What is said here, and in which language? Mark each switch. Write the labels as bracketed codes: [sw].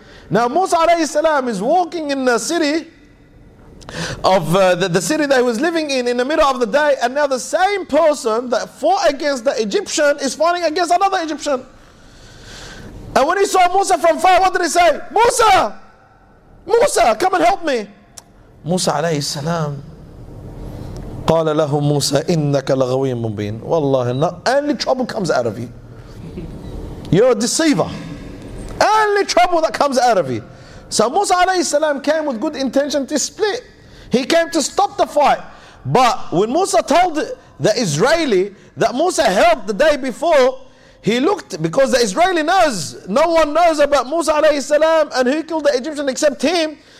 [en] Now Musa alayhi salam is walking in the city of the city that he was living in the middle of the day, and now the same person that fought against the Egyptian is fighting against another Egyptian. And when he saw Musa from far, what did he say? Musa! Musa, come and help me. [ar] Musa alayhi salam قال له موسى إنك لغوي مبين. [en] والله only trouble comes out of you. You're a deceiver. Only trouble that comes out of you. So Musa alayhi salam came with good intention to split. He came to stop the fight. But when Musa told the Israeli that Musa helped the day before, he looked, because the Israeli knows, no one knows about Musa alayhi salam and who killed the Egyptian except him.